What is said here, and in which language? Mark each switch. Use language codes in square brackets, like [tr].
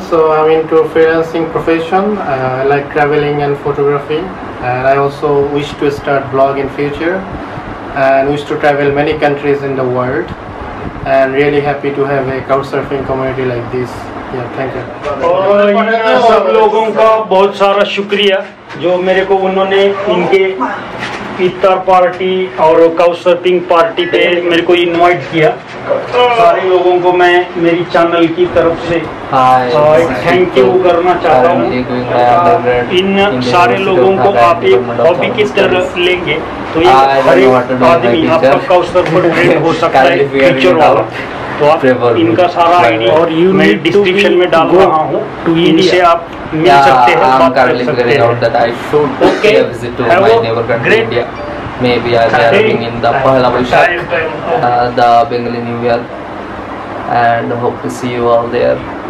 [en] So I'm into freelancing profession, like traveling and photography. And I also wish to start blog in future, and wish to travel many countries in the world. And really happy to have a couchsurfing community like this. Yeah, thank you. [hi] सब लोगों का बहुत सारा शुक्रिया जो मेरे को उन्होंने इनके इफ्तार पार्टी और काउचसर्फिंग पार्टी पे मेरे को इनवाइट किया. सारे लोगों को मैं मेरी चैनल की तरफ से थैंक यू करना चाहता हूँ. इन सारे लोगों को आप एक हॉबी की तरफ लेंगे तो एक आदमी आपका काउचसर्फर ग्रेट हो सकता है फ्यूचर वाला. तो आप इनका सारा आईडी और यू मैं डिस्क्रिप्शन में डाल रहा हूँ, तो इनसे आप मिल सकते हैं, बात कर सकते हैं. [en] Okay, have a great day. Maybe I'll be arriving in the Pahala Vaishakh, the Bengali New Year, and hope to see you all there.